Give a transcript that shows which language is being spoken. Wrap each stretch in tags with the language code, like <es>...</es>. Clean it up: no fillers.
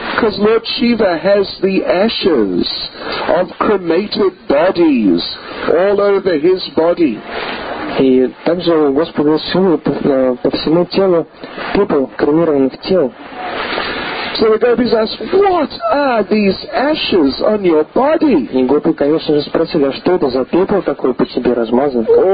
<en>Because Lord Shiva has the ashes of cremated bodies all over his body.</en> <ru>И также у Господа Шивы по всему телу пепел кремированных тел.</ru> <en>So the gopis ask, "What are these ashes on your body?"</en> <ru>И гопи, конечно же, спросили, а что это за пепел такой по себе размазан?</ru>